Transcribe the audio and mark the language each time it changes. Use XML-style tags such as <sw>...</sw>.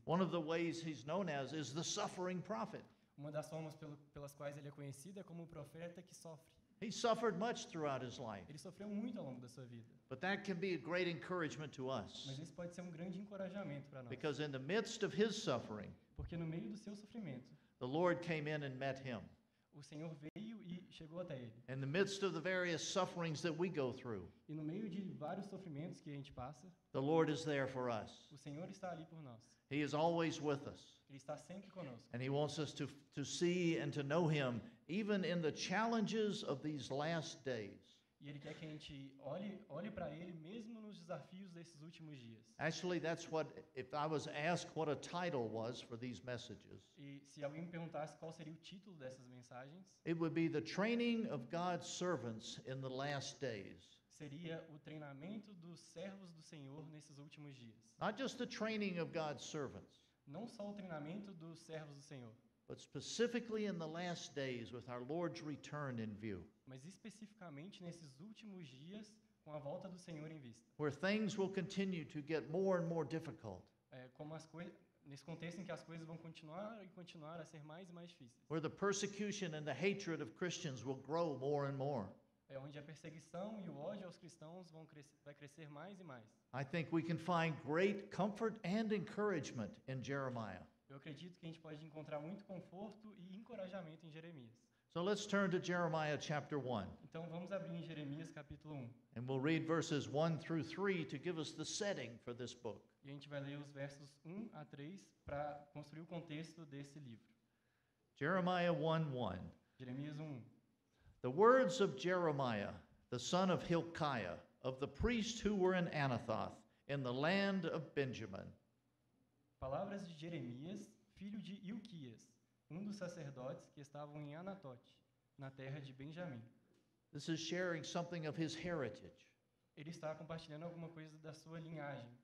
<en>One of the ways he's known as is the suffering prophet.</en> <pt>Uma das formas pelas quais ele é conhecido é como o profeta que sofre.</pt> <en>He suffered much throughout his life.</en> <pt>Ele sofreu muito ao longo da sua vida.</pt> <en>But that can be a great encouragement to us.</en> <pt>Mas isso pode ser um grande encorajamento para nós.</pt> <en>Because in the midst of his suffering,</en> <pt>porque no meio do seu sofrimento,</pt> <en>the Lord came in and met him.</en> <pt>O Senhor veio chegou até ele.</pt> <en>In the midst of the various sufferings that we go through,</en> <pt>e no meio de vários sofrimentos que a gente passa,</pt> <en>the Lord is there for us.</en> <pt>O Senhor está ali por nós.</pt> <en>He is always with us.</en> <pt>Ele está sempre conosco.</pt> <en>And he wants us to see and to know him, even in the challenges of these last days.</en> <pt>E ele quer que a gente olhe para ele mesmo nos desafios desses últimos dias.</pt> <en>Actually, that's what, if I was asked what a title was for these messages.</en> <pt>E se alguém me perguntasse qual seria o título dessas mensagens?</pt> <en>It would be the training of God's servants in the last days.</en> <pt>Seria o treinamento dos servos do Senhor nesses últimos dias.</pt> <en>Not just the training of God's servants.</en> <pt>Não só o treinamento dos servos do Senhor.</pt> <en>But specifically in the last days with our Lord's return in view.</en> <pt>Mas especificamente nesses últimos dias com a volta do Senhor em vista.</pt> <en>Where things will continue to get more and more difficult.</en> <pt>Nesse contexto em que as coisas vão continuar a ser mais e mais difíceis.</pt> <en>Where the persecution and the hatred of Christians will grow more and more.</en> <pt>É onde a perseguição e o ódio aos cristãos vai crescer mais e mais.</pt> <en>I think we can find great comfort and encouragement in Jeremiah.</en> <pt>Eu acredito que a gente pode encontrar muito conforto e encorajamento em Jeremias.</pt> <en>So let's turn to Jeremiah chapter 1.</en> <pt>Então vamos abrir em Jeremias capítulo 1.</pt> <en>And we'll read verses 1 through 3 to give us the setting for this book.</en> <pt>E a gente vai ler os versos 1 a 3 para construir o contexto desse livro.</pt> <en>Jeremiah 1:1.</en> <pt>Jeremias 1.</pt> <en>The words of Jeremiah, the son of Hilkiah, of the priests who were in Anathoth, in the land of Benjamin.</en> <pt>Palavras de Jeremias, filho de Hilquias, um dos sacerdotes que estavam em Anatote, na terra de Benjamim.</pt> <en>This is sharing something of his heritage.</en> <pt>Ele está compartilhando alguma coisa da sua linhagem.</pt>